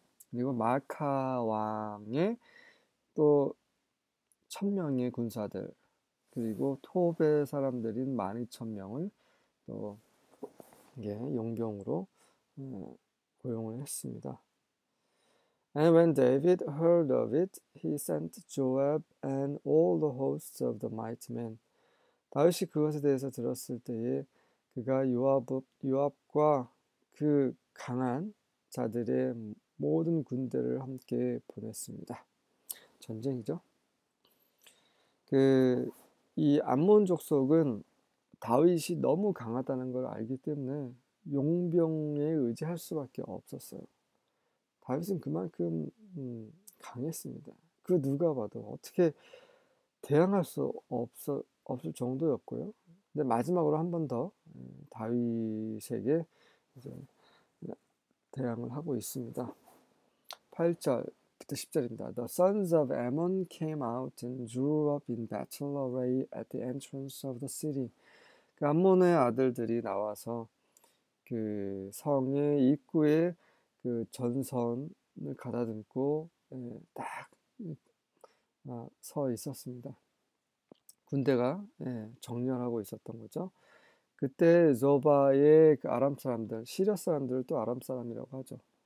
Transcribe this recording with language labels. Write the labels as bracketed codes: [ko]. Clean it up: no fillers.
[ko] 그리고 마카 왕의 또 1,000명의 군사들 그리고 톱의 사람들인 12,000명을 또 이게 용병으로 고용을 했습니다. [en] And when David heard of it, he sent Joab and all the hosts of the mighty men. [ko] 다윗이 그것에 대해서 들었을 때에 그가 요압과 그 강한 자들의 모든 군대를 함께 보냈습니다. 전쟁이죠. 이 암몬 족속은 다윗이 너무 강하다는 걸 알기 때문에 용병에 의지할 수밖에 없었어요. 다윗은 그만큼 강했습니다. 그 누가 봐도 어떻게 대항할 수 없을 정도였고요. 근데 마지막으로 한번더 다윗에게 이제 대항을 하고 있습니다. 8절 10절입니다. [en] The sons of Ammon came out and drew up in battle array at the entrance of the city. [ko] 그 암몬의 아들들이 나와서 그 성의 입구에 그 전선을 가다듬고 딱서 있었습니다. 군대가 정렬하고 있었던 거죠. 그때 소바의 그 아람 사람들, 시리아 사람들을 또 아람 사람이라고 하죠.